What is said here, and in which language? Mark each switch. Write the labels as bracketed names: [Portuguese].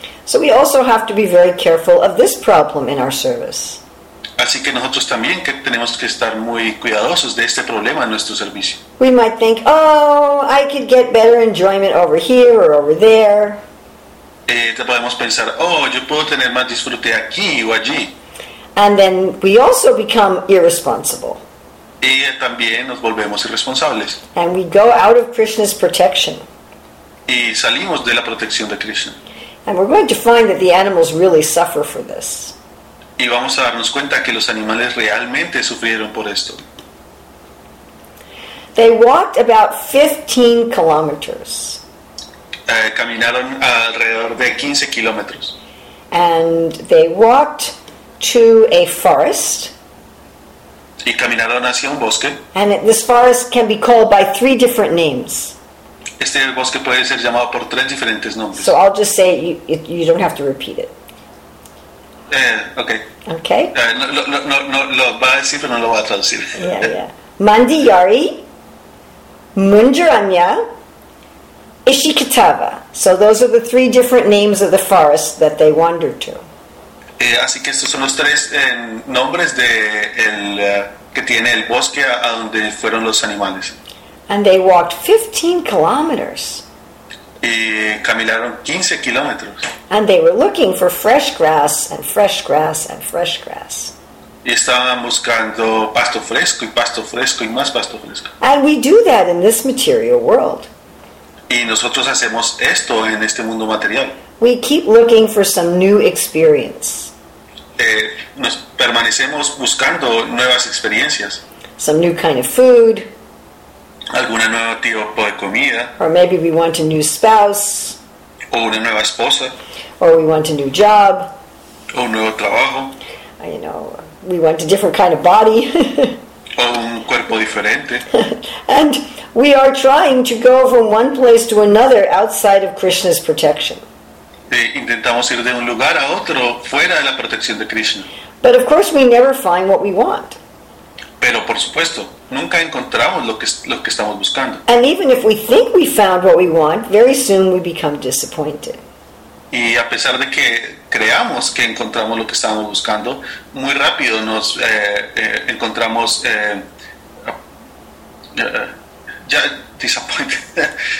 [English] So we also have to be very careful of this problem in our service. [Spanish] Así que nosotros también que tenemos que estar muy cuidadosos de este problema en nuestro servicio. [English] We might think, oh, I could get better enjoyment over here or over there. [Spanish] Podemos pensar, oh, yo puedo tener más disfrute aquí o allí. [English] And then we also become irresponsible. [Spanish] Y también nos volvemos irresponsables. [English] And we go out of Krishna's protection. [Spanish] Y salimos de la protección de Krishna. [English] And we're going to find that the animals really suffer for this. [Spanish] Y vamos a darnos cuenta que los animales realmente sufrieron por esto. [English] They walked about 15 kilometers. [Spanish] Caminaron alrededor de 15 kilómetros. [English] And they walked to a forest. [Spanish] Y caminaron hacia un bosque. [English] And this forest can be called by three different names. [Spanish] Este bosque puede ser llamado por tres diferentes nombres. [English] So I'll just say you don't have to repeat it. Okay. [Spanish] No, va a decir, pero no lo va a traducir. [English] Yeah. Mandiyari, Mundaranya, Ishikatava. So those are the three different names of the forest that they wandered to. [Spanish] Así que estos son los tres nombres de que tiene el bosque a donde fueron los animales. [English] And they walked 15 kilometers. [Spanish] Y caminaron 15 kilómetros. [English] And they were looking for fresh grass and fresh grass and fresh grass. [Spanish] Y estaban buscando pasto fresco y pasto fresco y más pasto fresco. [English] And we do that in this material world. [Spanish] Y nosotros hacemos esto en este mundo material. [English] We keep looking for some new experience. [Spanish] Nos permanecemos buscando nuevas experiencias. [English] Some new kind of food. [Spanish] Alguna nueva tipo de comida. [English] Or maybe we want a new spouse. [Spanish] O una nueva esposa. [English] Or we want a new job. [Spanish] O un nuevo trabajo. [English] You know, we want a different kind of body. [Spanish] O un cuerpo diferente. [English] And we are trying to go from one place to another outside of Krishna's protection. [Spanish] Intentamos ir de un lugar a otro fuera de la protección de Krishna. [English] But of course we never find what we want. [Spanish] Pero por supuesto, nunca encontramos lo que estamos buscando. [English] And even if we think we found what we want, very soon we become disappointed. [Spanish] Y a pesar de que creamos que encontramos lo que estábamos buscando, muy rápido nos encontramos ya [English] disappointed.